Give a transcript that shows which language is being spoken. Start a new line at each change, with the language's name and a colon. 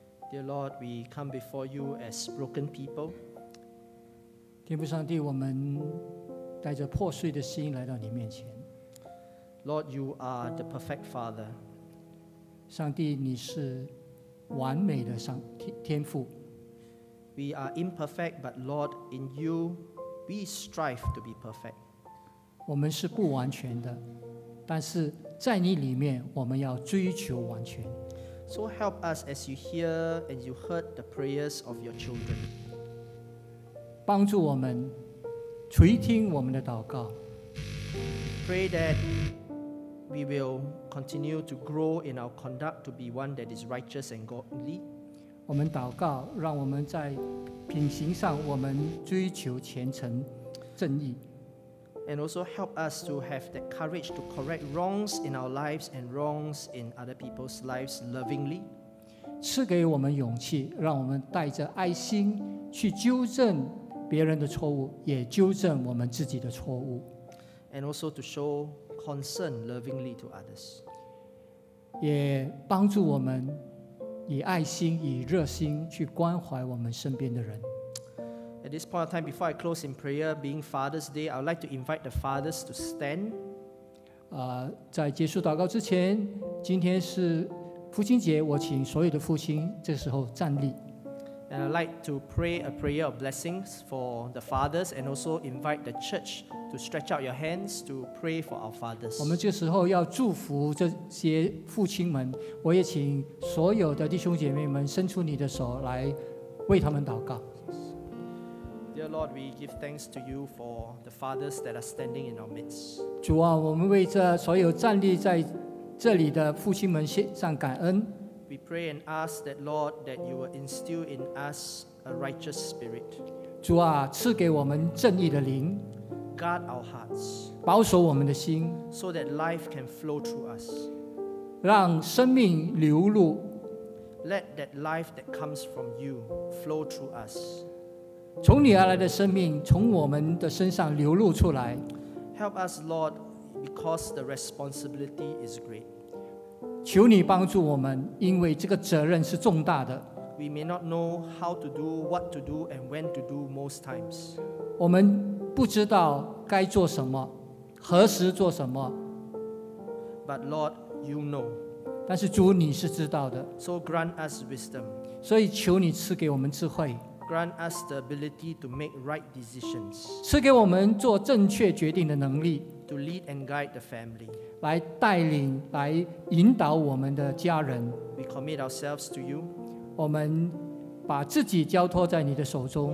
English: Dear Lord, we come before you as broken people.
Chinese: 天父上帝，我们带着破碎的心来到你面前。
English: Lord, you are the perfect Father.
Chinese: 上帝，你是完美的上天父。
English: We are imperfect, but Lord, in you, we strive to be perfect.
Chinese: 我们是不完全的，但是在你里面，我们要追求完全。
English: So help us as you hear and you heard the prayers of your children.
Chinese: 帮助我们垂听我们的祷告。
English: Pray that we will continue to grow in our conduct to be one that is righteous and godly.
Chinese: 我们祷告，让我们在品行上我们追求虔诚正义。
English: And also help us to have that courage to correct wrongs in our lives and wrongs in other people's lives lovingly.
Chinese: 赐给我们勇气，让我们带着爱心去纠正别人的错误，也纠正我们自己的错误。
English: And also to show concern lovingly to others.
Chinese: 也帮助我们以爱心、以热心去关怀我们身边的人。
English: At this point of time, before I close in prayer, being Father's Day, I would like to invite the fathers to stand.
Chinese: 在结束祷告之前，今天是父亲节，我请所有的父亲这时候站立。
English: And I'd like to pray a prayer of blessings for the fathers, and also invite the church to stretch out your hands to pray for our fathers.
Chinese: 我们这时候要祝福这些父亲们，我也请所有的弟兄姐妹们伸出你的手来为他们祷告。
English: Dear Lord, we give thanks to you for the fathers that are standing in our midst.
Chinese: 主啊，我们为这所有站立在这里的父亲们献上感恩。
English: We pray and ask that Lord that you will instill in us a righteous spirit.
Chinese: 主啊，赐给我们正义的灵。
English: Guard our hearts.
Chinese: 保守我们的心。
English: So that life can flow through us.
Chinese: 让生命流露。
English: Let that life that comes from you flow through us.
Chinese: 从你而来的生命从我们的身上流露出来。
English: Help us, Lord, because the responsibility is great.
Chinese: 求你帮助我们，因为这个责任是重大的。
English: We may not know how to do, what to do, and when to do most times.
Chinese: 我们不知道该做什么，何时做什么。
English: But Lord, you know.
Chinese: 但是主你是知道的。
English: So grant us wisdom.
Chinese: 所以求你赐给我们智慧。
English: grant us the ability to make right decisions.
Chinese: 赐给我们做正确决定的能力。
English: To lead and guide the family.
Chinese: 来带领，来引导我们的家人。
English: We commit ourselves to you.
Chinese: 我们把自己交托在你的手中。